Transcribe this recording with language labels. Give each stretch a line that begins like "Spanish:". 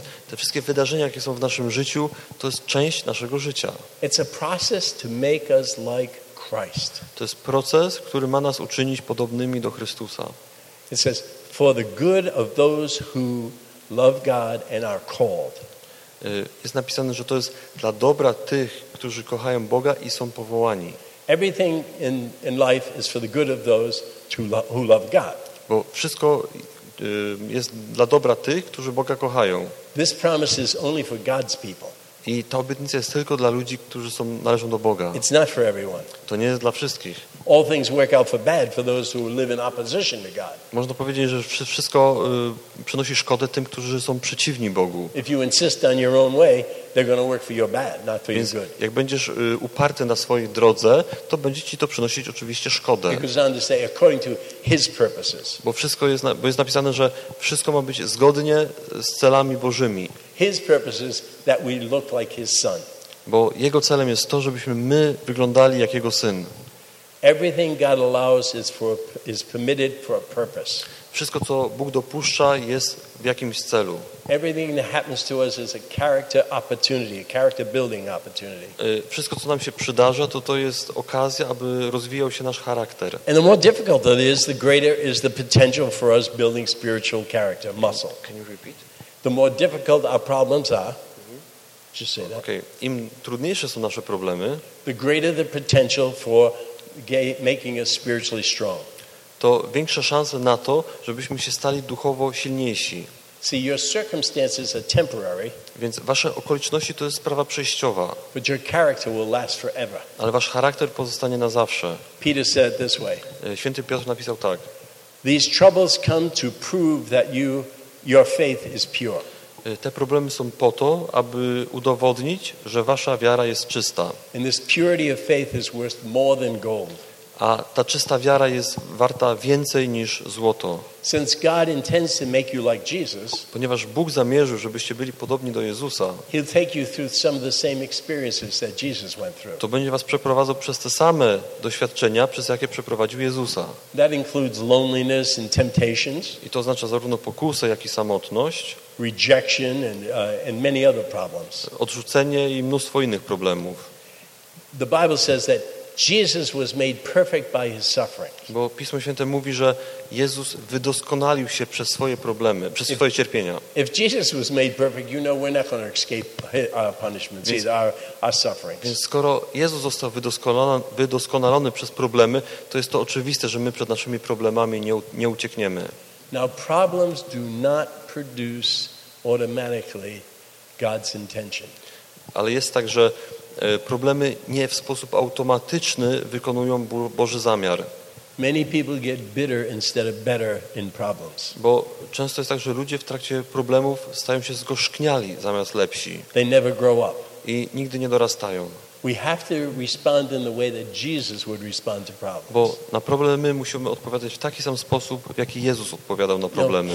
Polish: Te wszystkie wydarzenia, jakie są w naszym życiu, to jest część naszego życia.
English: It's a process to make us like Christ.
Polish: To jest proces, który ma nas uczynić podobnymi do Chrystusa.
English: It says, for the good of those who love God and are called.
Polish: Jest napisane, że to jest dla dobra tych, którzy kochają Boga i są powołani.
English: Everything in life is for the good of those who love God.
Polish: Bo wszystko jest dla dobra tych, którzy Boga kochają.
English: This promise is only for God's people.
Polish: I ta obietnica jest tylko dla ludzi, którzy należą do Boga.
English: It's not for everyone.
Polish: To nie jest dla wszystkich.
English: All things work out for bad for those who live in opposition to God.
Polish: Można powiedzieć, że wszystko przynosi szkodę tym, którzy są przeciwni Bogu.
English: If you insist on your own way, they're going to work for your bad, not for
Polish: Więc
English: your good.
Polish: Jak będziesz uparty na swojej drodze, to będzie ci to przynosić oczywiście szkodę.
English: It goes on to say, according to his purposes.
Polish: Bo jest napisane, że wszystko ma być zgodnie z celami Bożymi.
English: His purposes that we look like his son.
Polish: Bo jego celem jest to, żebyśmy my wyglądali jak jego syn.
English: Everything God allows is permitted for a purpose.
Polish: Wszystko, co Bóg dopuszcza, jest w jakimś celu.
English: Everything that happens to us is a character opportunity, a character building opportunity.
Polish: Wszystko, co nam się przydarza, to jest okazja, aby rozwijał się nasz charakter.
English: And the more difficult it is, the greater is the potential for us building spiritual character muscle. Can you repeat? The more difficult our problems are. Just say that. Okay.
Polish: Im trudniejsze są nasze problemy,
English: the greater the potential for making us spiritually strong.
Polish: To większe szanse na to, żebyśmy się stali duchowo silniejsi.
English: See, your circumstances are temporary.
Polish: Więc wasze okoliczności to jest sprawa przejściowa.
English: But your character will last forever.
Polish: Ale wasz charakter pozostanie na zawsze.
English: Peter said this way.
Polish: Święty Piotr napisał tak.
English: These troubles come to prove that your faith is pure.
Polish: Te problemy są po to, aby udowodnić, że wasza wiara jest czysta.
English: And this purity of faith is worth more than gold.
Polish: A ta czysta wiara jest warta więcej niż złoto.
English: Since God intends to make you like Jesus,
Polish: ponieważ Bóg zamierzył, żebyście byli podobni do Jezusa,
English: He'll take you through some of the same experiences that Jesus went through.
Polish: To będzie was przeprowadzał przez te same doświadczenia, przez jakie przeprowadził Jezusa.
English: That includes loneliness and temptations.
Polish: I to oznacza zarówno pokusę, jak i samotność.
English: Rejection and many other problems.
Polish: Odrzucenie i mnóstwo innych problemów.
English: The Bible says that Jesus was made perfect by his suffering.
Polish: Bo Pismo Święte mówi, że Jezus wydoskonalił się przez swoje problemy, przez swoje cierpienia.
English: If Jesus was made perfect, you know we're not going to escape our punishments, our sufferings.
Polish: Więc skoro Jezus został wydoskonalony przez problemy, to jest to oczywiste, że my przed naszymi problemami nie uciekniemy.
English: Now problems do not produce automatically God's intention.
Polish: Ale jest tak, że problemy nie w sposób automatyczny wykonują Boży zamiar.
English: Many people get bitter instead of better in problems.
Polish: Bo często jest tak, że ludzie w trakcie problemów stają się zgorzkniali zamiast lepsi.
English: They never grow up.
Polish: I nigdy nie dorastają.
English: We have to respond in the way that Jesus would respond to problems.
Polish: Bo na problemy musimy odpowiadać w taki sam sposób, w jaki Jezus odpowiadał na problemy.